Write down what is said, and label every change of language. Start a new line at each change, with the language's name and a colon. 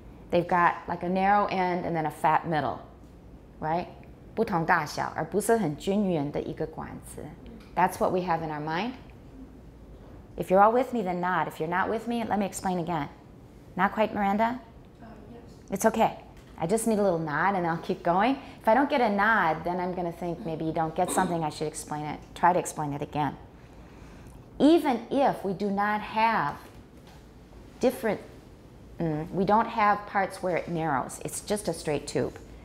English: They've got like a narrow end and then a fat middle, right?
Chinese: 不同大小, 而不是很均匀的一个管子.
English: That's what we have in our mind. If you're all with me, then nod. If you're not with me, let me explain again. Not quite, Miranda? Yes. It's okay. I just need a little nod and I'll keep going. If I don't get a nod, then I'm gonna think maybe you don't get something, I should explain it. Try to explain it again. Even if we do not have different, we don't have parts where it narrows, it's just a straight tube.